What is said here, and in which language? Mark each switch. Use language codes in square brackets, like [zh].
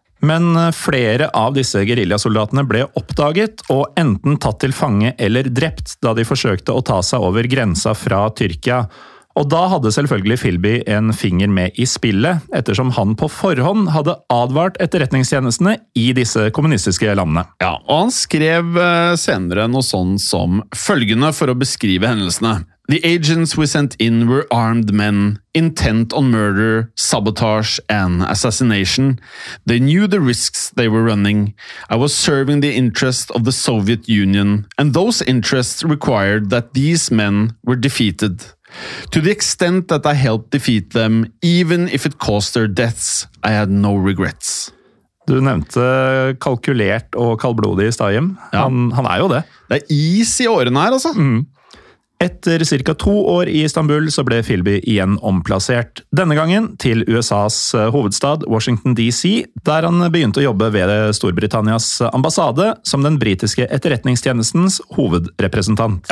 [no] Men flere av disse guerillasoldatene ble oppdaget og enten tatt til fange eller drept da de forsøkte å ta seg over grensa fra Tyrkia. Og da hadde selvfølgelig Philby en finger med i spillet, ettersom han på forhånd hadde advart etterretningstjenestene i disse kommunistiske landene. Ja, og han skrev senere noe sånn som følgende for å beskrive hendelsene. [en] The agents we sent in were armed men, intent on murder, sabotage and assassination. They knew the risks they were running. I was serving the interests of the Soviet Union, and those interests required that these men were defeated. To the extent that I helped defeat them, even if it caused their deaths, I had no regrets. [no] Du nevnte kalkulert og kaldblodig i stadium. Ja. Han er jo det. Det er is i årene her, altså. Mm. Etter cirka 2 år I Istanbul så ble Philby igjen omplassert, denne gangen til USAs hovedstad Washington DC, der han begynte å jobbe ved Storbritannias ambassade som den britiske etterretningstjenestens hovedrepresentant.